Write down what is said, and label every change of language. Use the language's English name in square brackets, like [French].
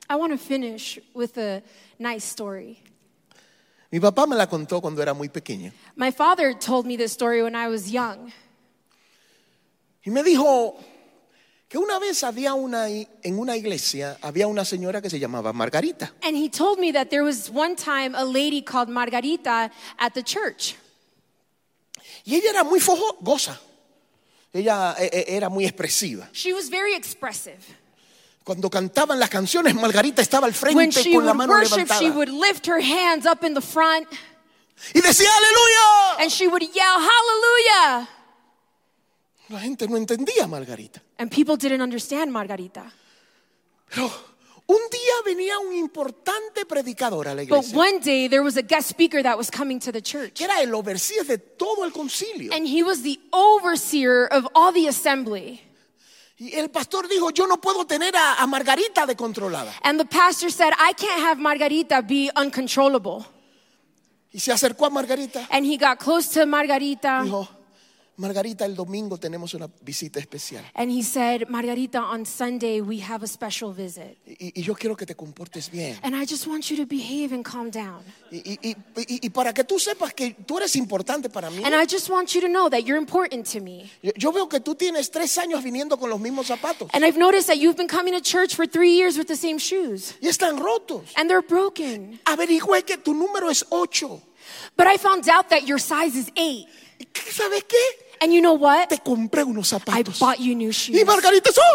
[English] I want to finish with a nice story. [Spanish] Mi papá me la contó cuando era muy pequeña. [English] My father told me this story when I was young. [Spanish] Y me dijo que una vez había una en una iglesia, había una señora que se llamaba Margarita. [English] And he told me that there was one time a lady called Margarita at the church. [Spanish] Y ella era muy fogosa. Ella era muy expresiva. [English] She was very expressive. [Spanish] Cuando cantaban las canciones, Margarita estaba al frente con la mano [English] When she would worship, she would lift her hands up in the front. [Spanish] Y decía, ¡Aleluya! [English] And she would yell, ¡Hallelujah! [Spanish] La gente no entendía a Margarita. [English] And people didn't understand Margarita. [Spanish] Pero un día venía un importante predicador a la iglesia. [English] But one day there was a guest speaker that was coming to the church. [Spanish] Era el overseer de todo el concilio. [English] And he was the overseer of all the assembly. [Spanish] Y el pastor dijo, yo no puedo tener a Margarita de controlada. [English] And the pastor said, I can't have Margarita be uncontrollable. [Spanish] Y se acercó a Margarita. [English] And he got close to Margarita. [Spanish] Dijo, Margarita, el domingo tenemos una visita especial. [English] And he said, Margarita, on Sunday we have a special visit. [Spanish] Y yo quiero que te comportes bien. [English] And I just want you to behave and calm down. [Spanish] Y para que tú sepas que tú eres importante para mí. [English] And I just want you to know that you're important to me. [Spanish] Yo veo que tú tienes tres años viniendo con los mismos zapatos. [English] And I've noticed that you've been coming to church for 3 years with the same shoes. [Spanish] Y están rotos. [English] And they're broken. [Spanish] Averigüé que tu número es 8. [English] But I found out that your size is 8. [Spanish] ¿Sabes qué? [English] And you know what? [Spanish] Te compré unos zapatos. [English] I bought you new shoes. [Spanish] Y Margarita,